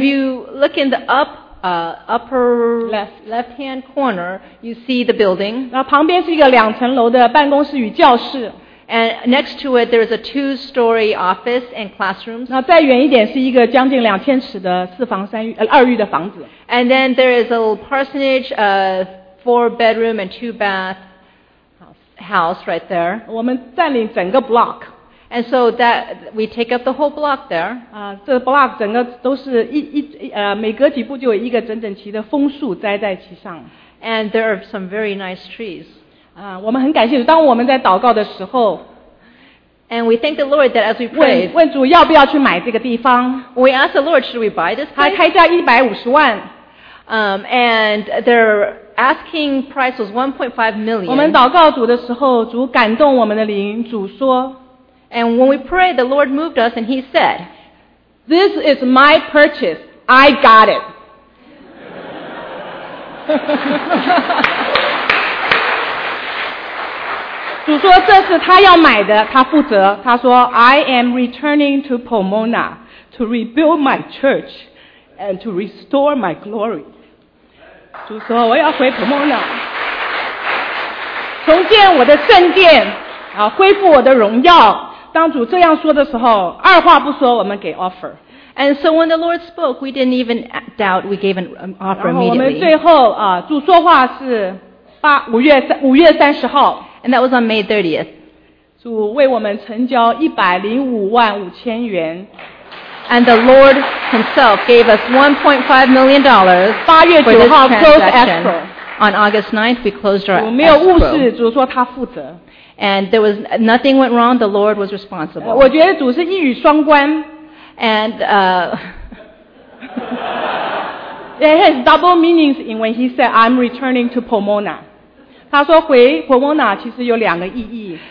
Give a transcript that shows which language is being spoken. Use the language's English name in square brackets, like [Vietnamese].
[English] If you look in the upper left hand corner, you see the building. [Chinese] 那旁边是一个两层楼的办公室与教室。 [English] And next to it, there is a two-story office and classrooms. [Chinese] 那再远一点是一个将近2,000尺的二浴的房子。 [English] And then there is a little parsonage, a four-bedroom and two-bath. House right there. [Chinese] 我们占领整个 block, [English] and so that we take up the whole block there. [Chinese] 这 block 整个都是每隔几步就有一个整整齐的枫树栽在其上。 [English] And there are some very nice trees. [Chinese] 我们很感谢主。当我们在祷告的时候 [English] ，and we thank the Lord that as we pray, [Chinese] 问主要不要去买这个地方。 [English] We ask the Lord, should we buy this place? [Chinese] 他开价150万。 [English] And their asking price was 1.5 million. [Chinese] 我们祷告主的时候，主感动我们的灵，主说 [English] ，And when we prayed, the Lord moved us, and He said, "This is my purchase. I got it." [Chinese] 主说这是他要买的，他负责。他说 [English] ，I am returning to Pomona to rebuild my church and to restore my glory. [Chinese] 主说我要回 Pomona 重建我的圣殿恢复我的荣耀当主这样说的时候二话不说我们给 offer [English] And so when the Lord spoke we didn't even doubt we gave an offer immediately [Chinese] 然后我们最后主说话是 5月30号。 [English] And that was on May 30th. [Chinese] 主为我们成交105万5千元。 [English] And the Lord himself gave us $1.5 million for this transaction. Closed escrow. On August 9th, we closed our escrow. [Chinese] 没有误事，主说他负责。 [English] And there was nothing went wrong, the Lord was responsible. [Chinese] 我觉得主是一语双关。 [English] And, It has double meanings in when he said, I'm returning to Pomona. [Chinese] 他说回 Pomona 其实有两个意义。